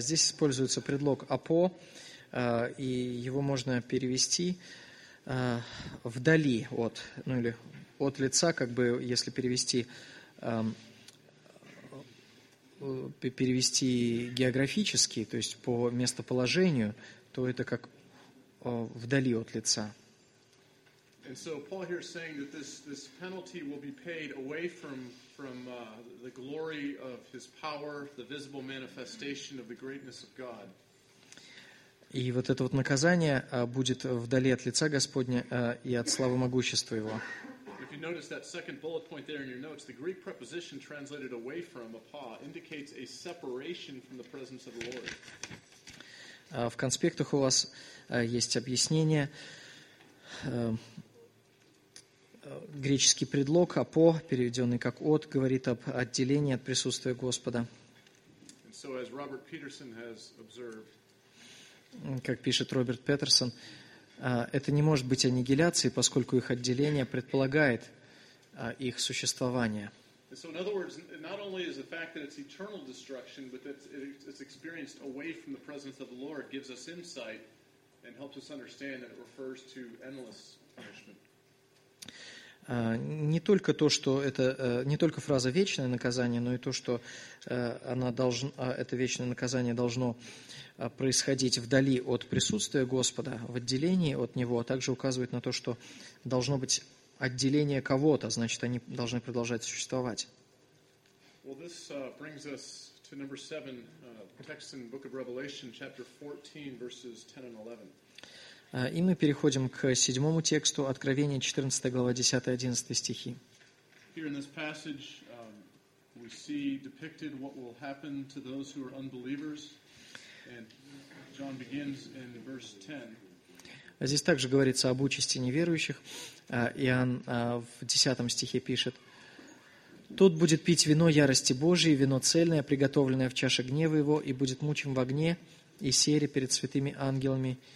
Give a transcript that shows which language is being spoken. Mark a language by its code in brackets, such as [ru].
[ru] Здесь используется предлог apo, и его можно перевести вдали от, ну или от лица, как бы, если перевести перевести географически, то есть по местоположению, то это как вдали от лица. [en] And so Paul here is saying that this penalty will be paid away from the glory of his power, the visible manifestation of the greatness of God. [ru] И вот это вот наказание будет вдали от лица Господня и от славы могущества его. [en] If you notice that second bullet point there in your notes, the Greek preposition translated away from, apa, indicates a separation from the presence of the Lord. [ru] В конспектах у вас есть объяснение. Греческий предлог «апо», переведенный как «от», говорит об отделении от присутствия Господа. [en] So, as Robert Peterson has observed, [ru] как пишет Роберт Петерсон, это не может быть аннигиляцией, поскольку их отделение предполагает их существование. [en] So, in other words, not only is the fact that it's eternal destruction, but that it's experienced away from the presence of the Lord gives us insight and helps us understand that it refers to endless punishment. [ru] Не только то, что это не только фраза «вечное наказание», но и то, что это вечное наказание должно происходить вдали от присутствия Господа, в отделении от Него, а также указывает на то, что должно быть отделение кого-то, значит, они должны продолжать существовать. [en] Well, this brings us to number 7, text in Book of Revelation, chapter 14, verses 10 and 11. [ru] И мы переходим к седьмому тексту, Откровение, 14 глава, 10-11 стихи. [en] Here in this passage, we see depicted what will happen to those who are unbelievers. And John begins in verse 10. [ru] Здесь также говорится об участи неверующих. Иоанн в 10 стихе пишет. «Тот будет пить вино ярости Божией, вино цельное, приготовленное в чаше гнева его, и будет мучим в огне и сере перед святыми ангелами».